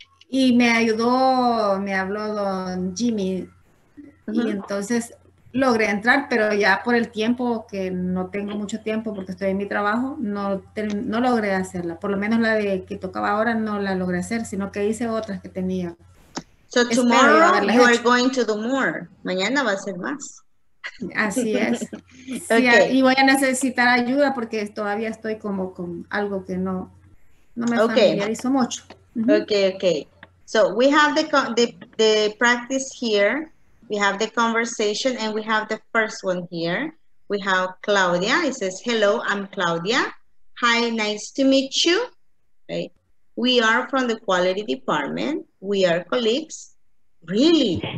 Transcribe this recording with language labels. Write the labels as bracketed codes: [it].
[es] Y me ayudó, me habló don Jimmy, y entonces logré entrar, pero ya por el tiempo, que no tengo mucho tiempo porque estoy en mi trabajo, no logré hacerla. Por lo menos la de que tocaba ahora no la logré hacer, sino que hice otras que tenía. [en] So tomorrow you are going to do more. [es] Mañana va a ser más. Así es. Sí, okay. Y voy a necesitar ayuda porque todavía estoy como con algo que no me familiarizo mucho. [en] Okay, okay. So we have the practice here. We have the conversation and we have the first one here. We have Claudia. It says, hello, I'm Claudia. Hi, nice to meet you. Okay. We are from the quality department. We are colleagues. Really?